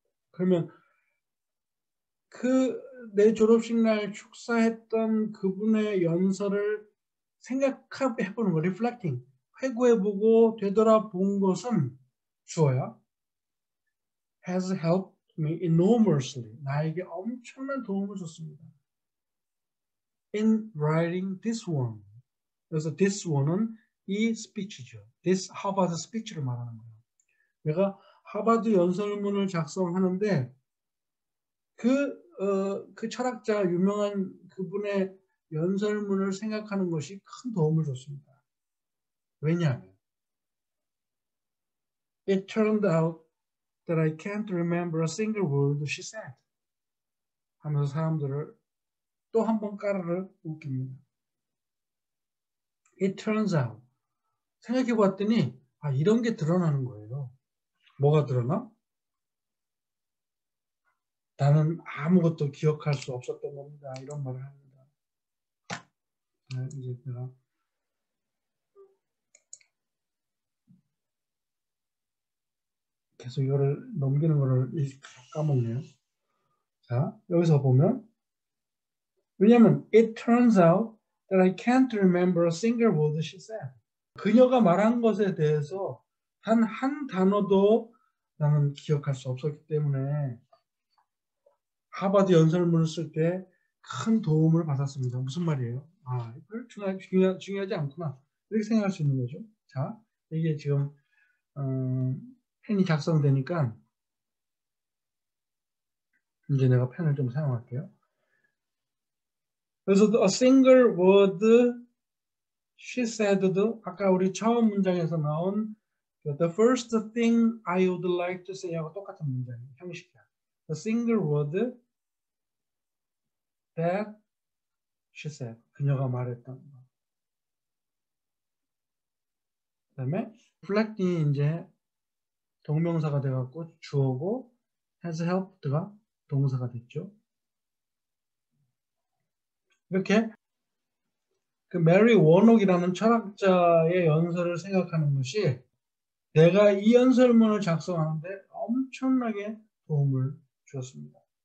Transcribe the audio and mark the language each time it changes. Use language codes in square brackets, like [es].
[ko] 그러면 그내 졸업식 날 축사했던 그분의 연설을 생각해보는 거, reflecting, 회고해보고 되돌아본 것은 주어야 [en] has helped me enormously, [ko] 나에게 엄청난 도움을 줬습니다. [en] In writing this one. [ko] 그래서 [en] this one은 [ko] 이 스피치죠. [en] This Harvard speech [ko] 를 말하는 거예요. 내가 하버드 연설문을 작성하는데 그 철학자 유명한 그분의 연설문을 생각하는 것이 큰 도움을 줬습니다. 왜냐하면 [en] It turned out that I can't remember a single word she said. [ko] 하면서 사람들을 또한번 깔아를 웃깁니다. [en] It turns out. [ko] 생각해 봤더니 아 이런 게 드러나는 거예요. 뭐가 드러나? 나는 아무것도 기억할 수 없었던 겁니다. 이런 말을 합니다. 이제 제가 계속 이거를 넘기는 거를 까먹네요. 자, 여기서 보면 왜냐면 [en] It turns out that I can't remember a single word she said. [ko] 그녀가 말한 것에 대해서 단한 단어도 나는 기억할 수 없었기 때문에 하버드 연설문을 쓸때큰 도움을 받았습니다. 무슨 말이에요? 아, 이걸 중요하지 않구나. 이렇게 생각할 수 있는 거죠. 자, 이게 지금 펜이 작성되니까 이제 내가 펜을 좀 사용할게요. 그래서 [en] a single word she said [ko] 도 아까 우리 처음 문장에서 나온 [en] the first thing I would like to say [ko] 하고 똑같은 문장 형식이야. [en] A single word That she said, [ko] 그녀가 말했던 거. 그다음에 reflecting이 이제 동명사가 돼갖고 주어고 [en] has helped [ko] 가 동사가 됐죠. 이렇게 그 메리 워녹이라는 철학자의 연설을 생각하는 것이 내가 이 연설문을 작성하는데 엄청나게 도움을 주었습니다.